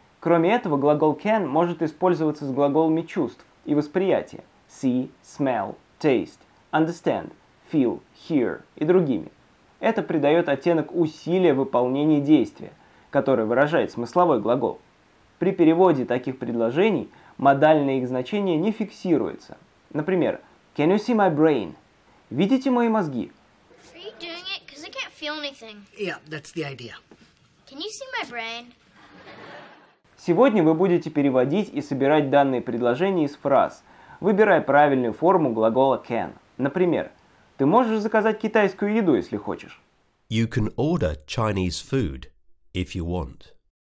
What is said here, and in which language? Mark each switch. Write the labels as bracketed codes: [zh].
[ru] Кроме этого, глагол can может использоваться с глаголами чувств и восприятия see, smell, taste, understand, feel, hear и другими. Это придает оттенок усилия выполнения действия, которое выражает смысловой глагол. При переводе таких предложений модальное их значение не фиксируется. Например, [en] can you see my brain? [ru] Видите мои мозги? [en] Are you doing it? 'Cause I can't feel anything. Yeah, that's the idea. Can you see my brain? [ru] Сегодня вы будете переводить и собирать данные предложения из фраз, выбирая правильную форму глагола can. Например, ты можешь заказать китайскую еду, если хочешь. [en] You can order Chinese food if you want.